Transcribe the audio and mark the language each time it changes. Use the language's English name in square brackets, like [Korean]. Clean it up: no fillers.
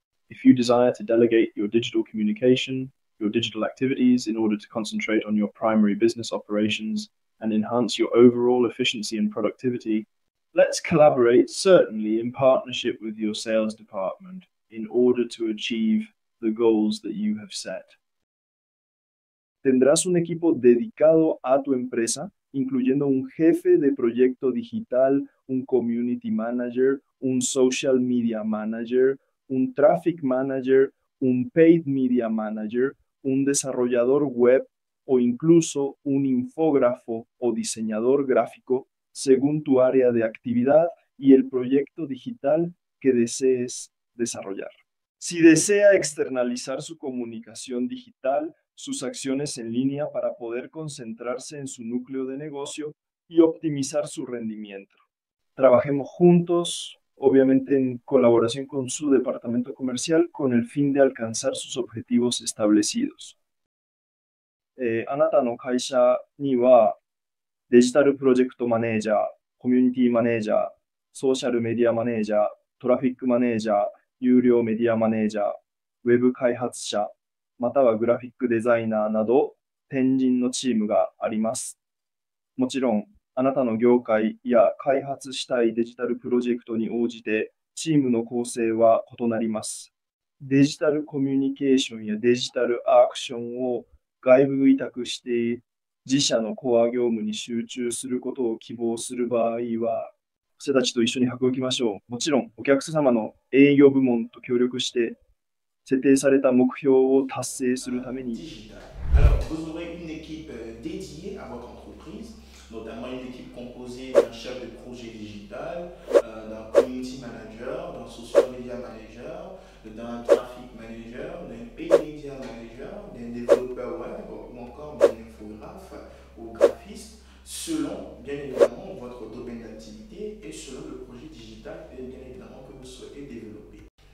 [English] If you desire to delegate your digital communication, your digital activities in order to concentrate on your primary business operations and enhance your overall efficiency and productivity, let's collaborate, certainly in partnership with your sales department, in order to achieve the goals that you have set. [Spanish] Tendrás un equipo dedicado a tu empresa, incluyendo un jefe de proyecto digital, un community manager, un social media manager, un traffic manager, un paid media manager, un desarrollador web o incluso un infógrafo o diseñador gráfico, según tu área de actividad y el proyecto digital que desees desarrollar. Si desea externalizar su comunicación digital, sus acciones en línea para poder concentrarse en su núcleo de negocio y optimizar su rendimiento. Trabajemos juntos, obviamente en colaboración con su departamento comercial, con el fin de alcanzar sus objetivos establecidos. [Japanese] あなたの会社にはデジタルプロジェクトマネージャー、コミュニティマネージャー、ソーシャルメディアマネージャー、トラフィックマネージャー、有料メディアマネージャー、ウェブ開発者、またはグラフィックデザイナーなど、転人のチームがあります。もちろん、あなたの業界や開発したいデジタルプロジェクトに応じて、チームの構成は異なります。デジタルコミュニケーションやデジタルアクションを外部委託して、自社のコア業務に集中することを希望する場合は、私たちと一緒に運びましょう。もちろん、お客様の営業部門と協力して、設定された目標を達成するために。 [French] Alors, vous aurez une équipe dédiée à votre entreprise, notamment une équipe composée d'un chef de projet digital, d'un community manager, d'un social media manager, d'un traffic manager, d'un paid media manager, d'un développeur web ou encore d'un infographe ou graphiste, selon, bien évidemment, votre domaine d'activité et selon le projet digital, bien évidemment, que vous souhaitez développer.